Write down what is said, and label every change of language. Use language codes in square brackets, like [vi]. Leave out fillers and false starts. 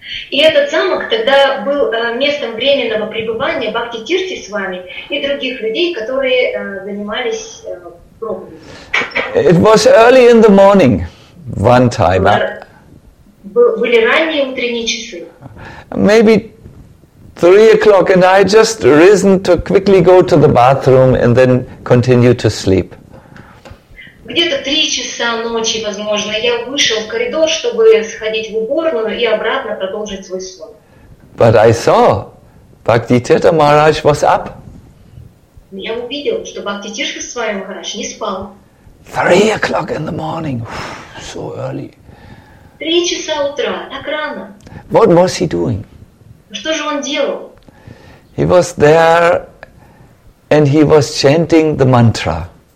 [ru] И этот замок тогда был местом временного пребывания Бхакти Тирти с вами и других людей, которые занимались проповедью. [en] It was early in the morning, one time. [ru] Были ранние утренние часы. [en] Maybe 3 o'clock, and I just risen to quickly go to the bathroom and then continue to sleep. [ru] Где-то 3 часа ночи, возможно, я вышел в коридор, чтобы сходить в уборную и обратно продолжить свой сон. [en] But I saw Bhakti Tirtha Maharaj was up. [ru] Я увидел, что Бхакти Тирти с вами Махарадж не спал. [en] 3 o'clock in the morning, so early. [ru] 3 часа утра, так рано. [en] What was he doing? [ru] Что же он делал? [en] He was there, and he was chanting the mantra.